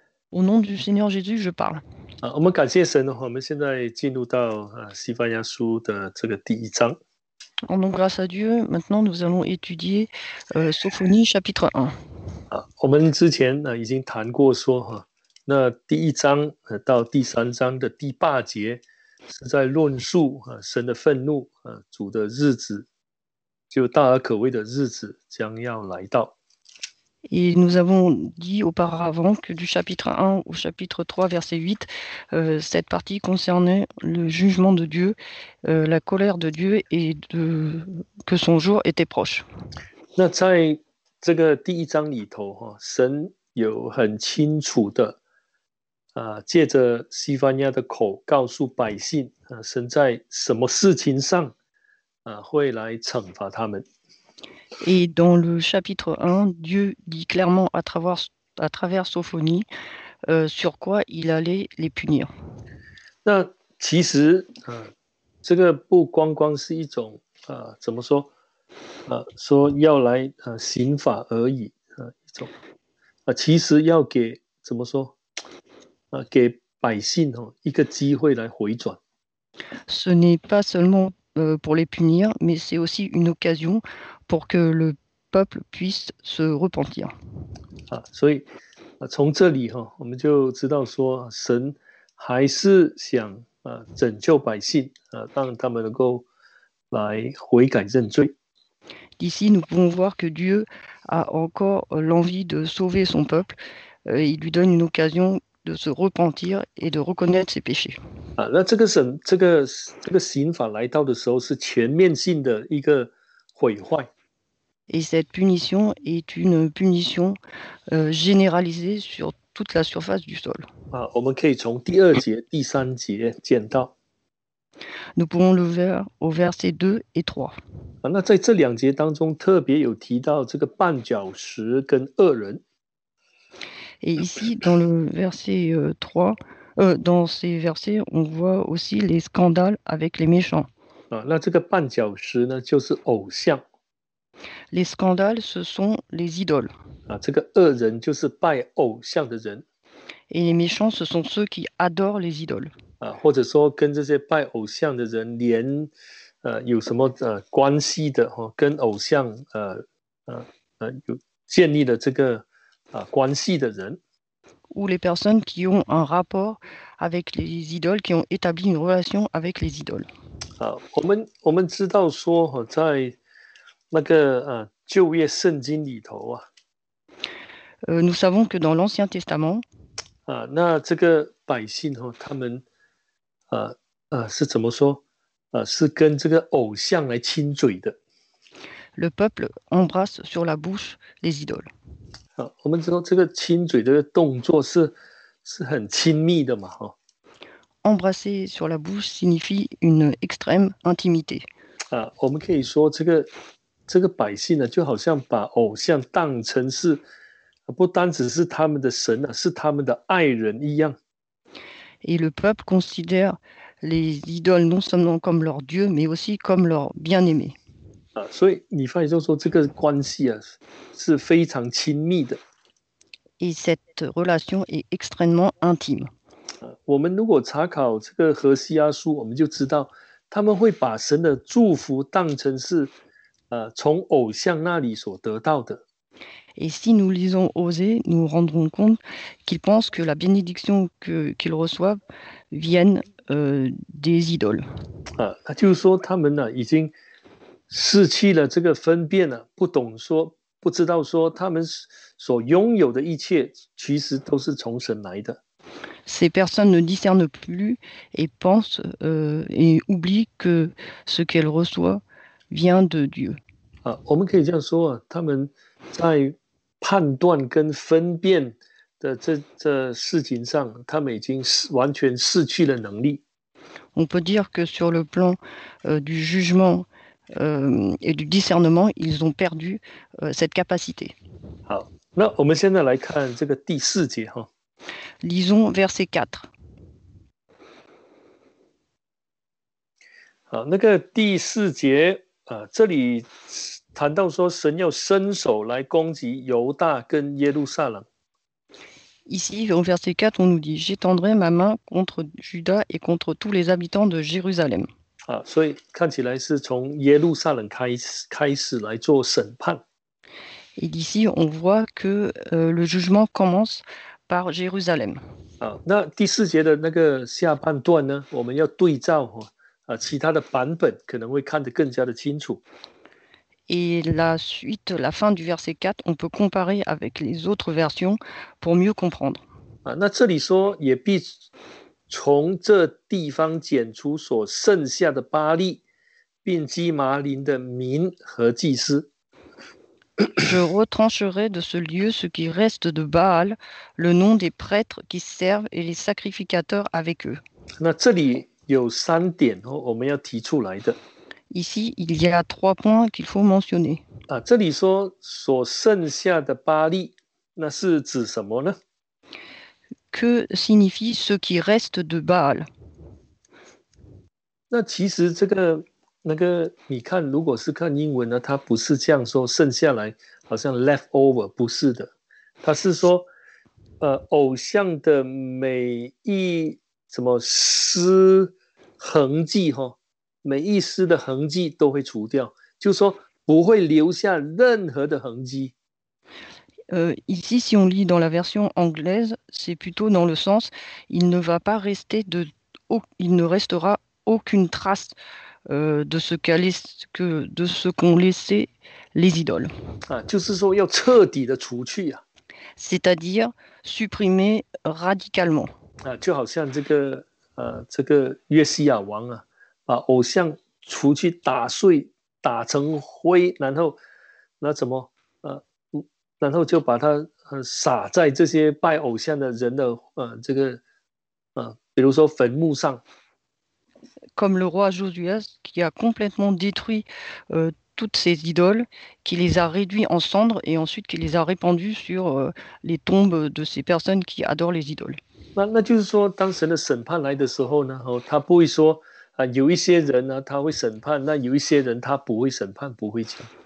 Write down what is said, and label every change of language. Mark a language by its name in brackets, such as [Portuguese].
[French] Au nom du Seigneur Jésus, je parle. [Chinese] 啊，我们感谢神的话，我们现在进入到西班牙书的这个第一章。 [French] Donc, grâce à Dieu, maintenant nous allons étudier Sophonie chapitre 1. [Chinese] 啊，我们之前已经谈过说哈，那第一章到第三章的第八节是在论述神的愤怒主的日子，就大而可畏的日子将要来到。 [French] Et nous avons dit auparavant que du chapitre 1 au chapitre 3, verset 8, cette partie concernait le jugement de Dieu, la colère de Dieu et que son jour était proche. [Chinese] 那在这个第一章里头，哈，神有很清楚的，借着西班牙的口告诉百姓，神在什么事情上，会来惩罚他们。 [French] Et dans le chapitre 1, Dieu dit clairement à travers Sophonie sur quoi il allait les punir. [Chinese] 那其实，这个不光光是一种，怎么说？说要来刑法而已，一种，其实要给怎么说，给百姓一个机会来回转。 [French] Ce n'est pas seulement pour les punir, mais c'est aussi une occasion pour que le peuple puisse se repentir. [Chinese] 所以从这里我们就知道说神还是想拯救百姓让他们能够来悔改认罪。 [French] D'ici, nous pouvons voir que Dieu a encore l'envie de sauver son peuple. Il lui donne une occasion de se repentir et de reconnaître ses péchés. [Chinese] 那这个刑法来到的时候是全面性的一个毁坏。 [French] Et cette punition est une punition généralisée sur toute la surface du sol. [Chinese] 我们可以从第二节、第三节见到。 [French] Nous pouvons le voir au verset 2 et 3. [Chinese] 那在这两节当中特别有提到这个绊脚石跟恶人。 [French] Et ici, dans le verset 3, dans ces versets, on voit aussi les scandales avec les méchants. [Chinese] 那这个绊脚石呢，就是偶像。 [French] Les scandales, ce sont les idoles. [Chinese] 这个恶人就是拜偶像的人。 [French] Et les méchants, ce sont ceux qui adorent les idoles. [Chinese] 或者说跟这些拜偶像的人连有什么关系的跟偶像有建立了这个关系的人。 [French] Ou les personnes qui ont un rapport avec les idoles, qui ont établi une relation avec les idoles. [Chinese] 我们知道说在那个旧约圣经里头 [French] Nous savons que dans l'Ancien Testament, [Chinese] 那这个百姓他们是怎么说是跟这个偶像来亲嘴的 [French] le peuple embrasse sur la bouche les idoles. [Chinese] 我们知道这个亲嘴的动作是很亲密的嘛 [French] Embrasser sur la bouche signifie une extrême intimité. [Chinese] 我们可以说这个百姓就好像把偶像当成是，不单只是他们的神是他们的爱人一样。 [French] Et le peuple considère les idoles non seulement comme leur dieu, mais aussi comme leur bien-aimé. [Chinese] 所以你发现就是说这个关系是非常亲密的。 [French] Et cette relation est extrêmement intime. [Chinese] 我们如果查考这个何西阿书，我们就知道他们会把神的祝福当成是。从偶像那里所得到的。 [French] Et si nous lisons Osée, nous rendrons compte qu'ils pensent que la bénédiction qu'ils reçoivent vienne des idoles. [Chinese] 他就是说他们已经失去了这个分辨不懂说，不知道说他们所拥有的一切，其实都是从神来的。 [French] Ces personnes ne discernent plus et pensent et oublient que ce qu'elles reçoivent vient de Dieu. [Chinese] 我们可以这样说他们在判断跟分辨的这事情上，他们已经完全失去了能力。 [French] On peut dire que sur le plan du jugement et du discernement, ils ont perdu cette capacité. [Chinese] 好，那我们现在来看这个第四节 [French] Lisons verset 4. [Chinese] 好，那个第四节。这里谈到说神要伸手来攻击犹大跟耶路撒冷。 [French] Ici, au verset 4, on nous dit « J'étendrai ma main contre Juda et contre tous les habitants de Jérusalem. » [Chinese] Ah, 所以看起来是从耶路撒冷开始来做审判。 [French] Et d'ici, on voit que le jugement commence par Jérusalem. [Chinese] Ah, 那第四节的那个下半段呢，我们要对照啊，其他的版本可能会看得更加的清楚。 [French] Et la suite, la fin du verset 4, on peut comparer avec les autres versions pour mieux comprendre. [Chinese] Ah, 那这里说也必从这地方拣出所剩下的巴利，并基麻林的民和祭司。 [French] Je retrancherai de ce lieu ce qui reste de Baal, le nom des prêtres qui servent et les sacrificateurs avec eux. [Chinese] 那这里有三点哦，我们要提出来的。 [French] Ici, il y a trois points qu'il faut mentionner. [Chinese] 啊，这里说所剩下的巴利，那是指什么呢？ [French] Que signifie ce qui reste de Baal? [Chinese] 那其实这个那个，你看，如果是看英文呢，它不是这样说，剩下来好像 [English] left over， [Chinese] 不是的，它是说，偶像的每一什么丝痕迹哈。每一丝的痕迹都会除掉，就说不会留下任何的痕迹。 [French] Ici, si on lit dans la version anglaise, c'est plutôt dans le sens, il ne va pas rester de, il ne restera aucune trace de ce qu'a laissé, de ce qu'ont laissé les idoles. [Chinese] 啊，就是说要彻底的除去啊。 [French] C'est-à-dire supprimer radicalement. [Chinese] 啊，就好像这个这个约西亚王啊。把偶像除去打碎打成灰然后那怎么然后就把它撒在这些拜偶像的人的这个比如说坟墓上。 [French] Comme le roi Josias qui a complètement détruit toutes ses idoles, qui les a réduits en cendres et ensuite qui les a répandus sur les tombes de ces personnes qui adorent les idoles. [Chinese] 那就是说当神的审判来的时候呢他不会说啊、有一些人、啊、他会审判，那有一些人他不会审判，不会讲。